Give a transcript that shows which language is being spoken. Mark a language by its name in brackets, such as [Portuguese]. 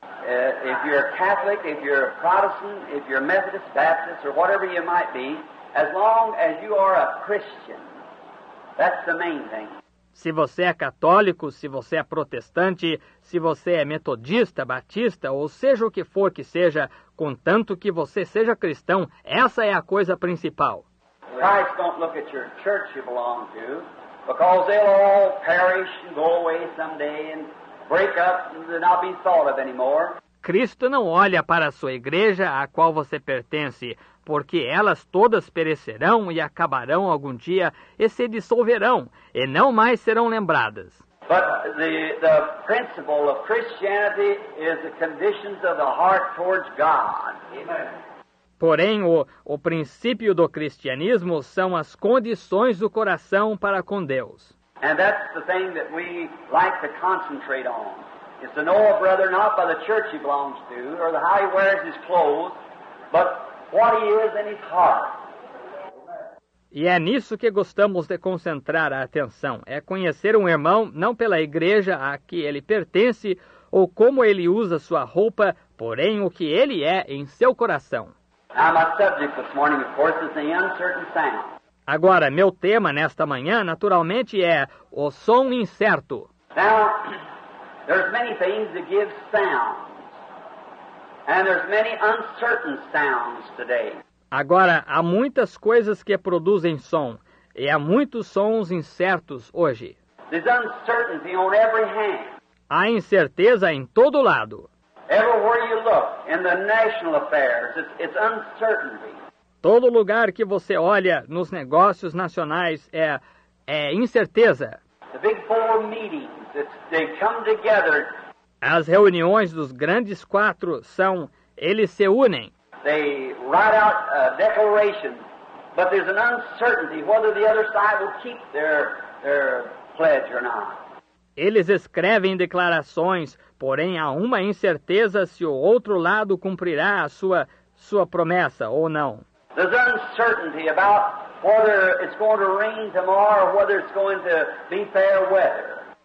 [English] If you're Catholic, if you're Protestant, if you're Methodist, Baptist, or whatever you might be, as long as you are a Christian, that's the main thing. [Portuguese] Se você é católico, se você é protestante, se você é metodista, batista, ou seja o que for que seja, contanto que você seja cristão, essa é a coisa principal. [English] Christ don't look at your church you belong to, because they'll all perish and go away someday and break up and not be thought of anymore. [Portuguese] Cristo não olha para a sua igreja a qual você pertence, porque elas todas perecerão e acabarão algum dia e se dissolverão e não mais serão lembradas. [English] But the principle of Christianity is the conditions of the heart towards God. Amen. [Portuguese] Porém, o princípio do cristianismo são as condições do coração para com Deus. [English] And that's the thing that we like to concentrate on. It's to know a brother not by the church he belongs to or the how he wears his clothes, but what he is in his heart. [Portuguese] E é nisso que gostamos de concentrar a atenção. É conhecer um irmão não pela igreja a que ele pertence ou como ele usa sua roupa, porém o que ele é em seu coração. [English] Now, my subject this morning, of course, is the uncertain sound. [Portuguese] Agora, meu tema nesta manhã, naturalmente, é o som incerto. [English] Now, there's many things that give sounds, and there's many uncertain sounds today. [Portuguese] Agora, há muitas coisas que produzem som, e há muitos sons incertos hoje. [English] There's uncertainty on every hand. [Portuguese] Há incerteza em todo lado. [English] Everywhere you look, in the national affairs, it's uncertainty. [Portuguese] Todo lugar que você olha nos negócios nacionais é incerteza. [English] The big four meetings, they come together. [Portuguese] As reuniões dos grandes quatro são, eles se unem. [English] They write out a declaration, but there's an uncertainty whether the other side will keep their pledge or not. [Portuguese] Eles escrevem declarações, porém há uma incerteza se o outro lado cumprirá a sua promessa ou não. [English] There's uncertainty about whether it's going to rain tomorrow or whether it's going to be fair weather.